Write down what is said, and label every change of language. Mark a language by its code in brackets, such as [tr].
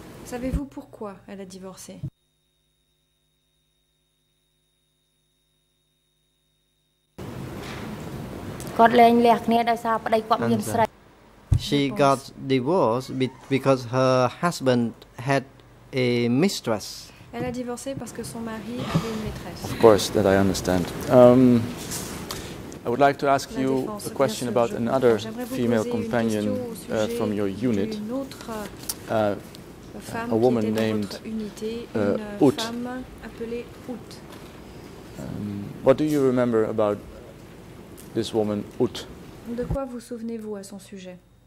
[fr] Savez-vous pourquoi elle a divorcé? [en] She got divorced because her husband had a mistress. [fr] Elle a divorcé parce que son mari avait une maîtresse. [en] Of course, that I understand. I would like to ask you a question about another female companion from your unit, a woman named Ut. What do you remember about this woman, Ut? [fr] De quoi vous souvenez-vous à son sujet?